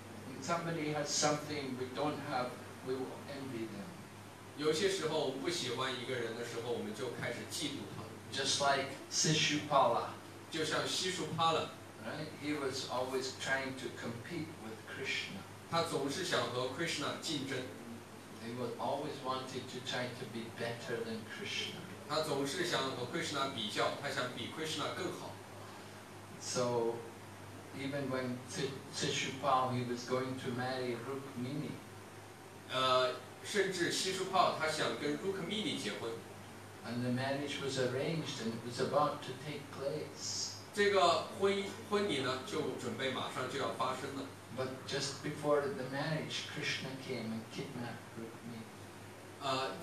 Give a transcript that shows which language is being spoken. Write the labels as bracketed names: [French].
[English] When somebody has something we don't have, we will envy them. [Chinese] 有些时候，我们不喜欢一个人的时候，我们就开始嫉妒他。 [English] Just like Sishupala. [Chinese] 就像西树帕勒。 [English] Right? He was always trying to compete with Krishna. [Chinese] 他总是想和 Krishna 竞争。 [English] He was always wanted to try to be better than Krishna. [Chinese] 他总是想和 Krishna 比较，他想比 Krishna 更好。 [English] So, even when Sishupal he was going to marry Rukmini. [Chinese] 甚至西舒帕他想跟 Rukmini 结婚。 [English] And the marriage was arranged and it was about to take place. [Chinese] 这个婚礼呢，就准备马上就要发生了。 [English] But just before the marriage, Krishna came and kidnapped Rukmini.